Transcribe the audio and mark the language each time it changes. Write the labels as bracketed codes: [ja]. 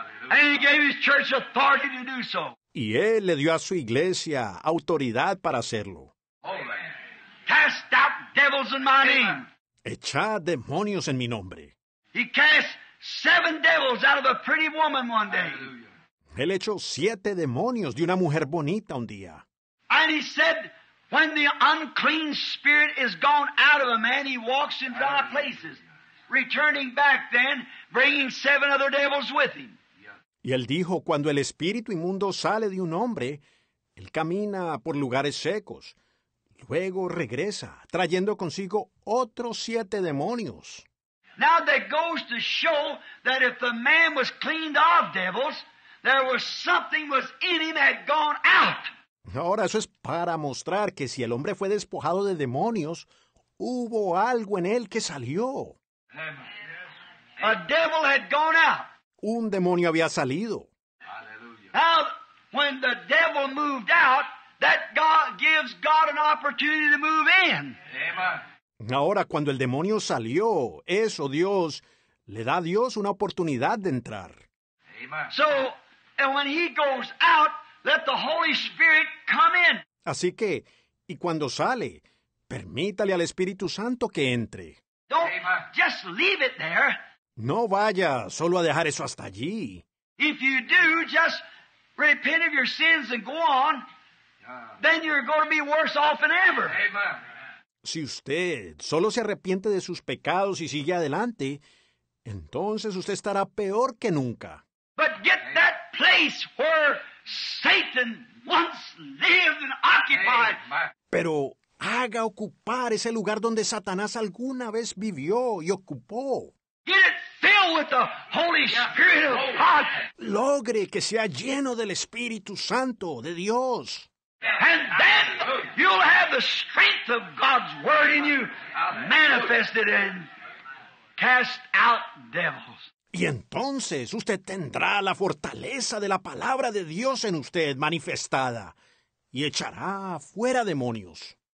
[en] And he gave his church authority to do so. [es] Y él le dio a su iglesia autoridad para hacerlo. [en] Cast out devils in my name. [es] Echad demonios en mi nombre. [en] He cast 7 devils out of a pretty woman one day. [es] Él echó 7 demonios de una mujer bonita un día. [en] And he said, when the unclean spirit is gone out of a man, he walks in dry places, returning back then, bringing 7 other devils with him. [es] Y él dijo, cuando el espíritu inmundo sale de un hombre, él camina por lugares secos. Luego regresa, trayendo consigo otros 7 demonios. [en] Now that goes to show that if the man was cleaned of devils, there was something was in him that had gone out. [es] Ahora eso es para mostrar que si el hombre fue despojado de demonios, hubo algo en él que salió. [en] A devil had gone out. [es] Un demonio había salido. [en] Now, when the devil moved out, that God gives God an opportunity to move in. [es] Ahora, cuando el demonio salió, eso Dios le da a Dios una oportunidad de entrar. [en] So, and when he goes out, let the Holy Spirit come in. [es] Así que, y cuando sale, permítale al Espíritu Santo que entre. [en] Don't just leave it there. [es] No vaya solo a dejar eso hasta allí. [en] If you do, just repent of your sins and go on, then you're going to be worse off than ever. [es] Si usted solo se arrepiente de sus pecados y sigue adelante, entonces usted estará peor que nunca. [en] But get that place where Satan once lived and occupied. [es] Pero haga ocupar ese lugar donde Satanás alguna vez vivió y ocupó. [en] Get it filled with the Holy Spirit of God. [es] Logre que sea lleno del Espíritu Santo de Dios. [en] And then you'll have the strength of God's word in you manifested and cast out devils. [es] Y entonces usted tendrá la fortaleza de la palabra de Dios en usted manifestada y echará fuera demonios.